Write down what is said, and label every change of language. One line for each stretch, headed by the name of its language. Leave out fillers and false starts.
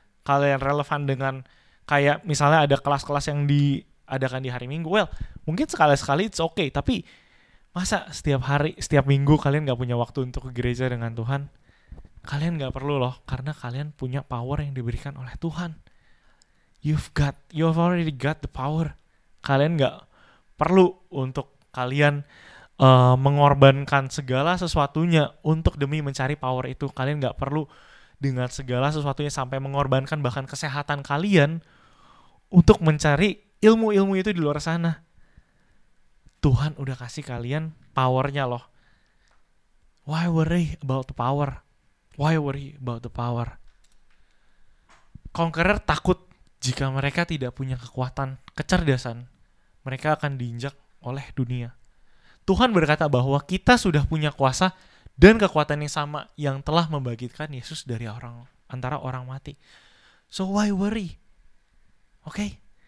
Indonesian: Kalian relevan dengan kayak misalnya ada kelas-kelas yang diadakan di hari Minggu. Well, mungkin sekali-sekali
English: it's okay.
Indonesian: Tapi Masa setiap hari, setiap minggu kalian gak punya waktu untuk ke gereja dengan Tuhan? Kalian gak perlu loh, karena kalian punya power yang diberikan oleh Tuhan.
English: You've already got the power.
Indonesian: Kalian gak perlu untuk kalian mengorbankan segala sesuatunya untuk demi mencari power itu. Kalian gak perlu dengan segala sesuatunya sampai mengorbankan bahkan kesehatan kalian untuk mencari ilmu-ilmu itu di luar sana. Tuhan udah kasih kalian powernya loh.
English: Why worry about the power? Why worry about the power?
Indonesian: Conqueror takut jika mereka tidak punya kekuatan, kecerdasan, mereka akan diinjak oleh dunia. Tuhan berkata bahwa kita sudah punya kuasa dan kekuatan yang sama yang telah membangkitkan Yesus dari orang antara orang mati.
English: So why worry? Okay?